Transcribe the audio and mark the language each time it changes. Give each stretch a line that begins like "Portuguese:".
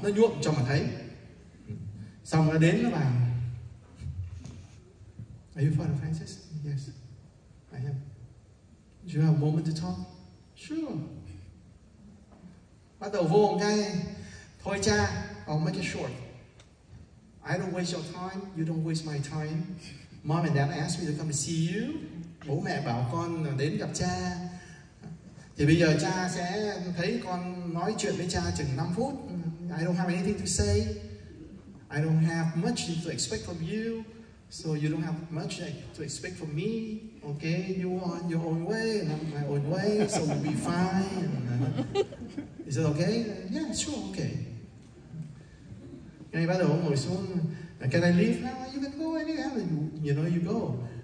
Vietnamese: Nó nhuộm cho mà thấy. Xong nó đến nó bảo,
English: are you Father Francis? Yes, I am. Do you have a moment to talk? Sure.
Vietnamese: Bắt đầu vô một cái, thôi cha,
English: I'll make it short. I don't waste your time, you don't waste my time. Mom and Dad asked me to come to see you.
Vietnamese: Bố mẹ bảo con đến gặp cha. Thì bây giờ cha sẽ thấy con nói chuyện với cha chừng 5 phút.
English: I don't have anything to say. I don't have much to expect from you. So you don't have much to expect from me. Okay, you are on your own way and I'm my own way. So we'll be fine. Is it okay? Yeah, sure, okay.
Vietnamese: Ngay bắt đầu ngồi xuống.
English: Can I leave now? You can go anywhere. You know, you go.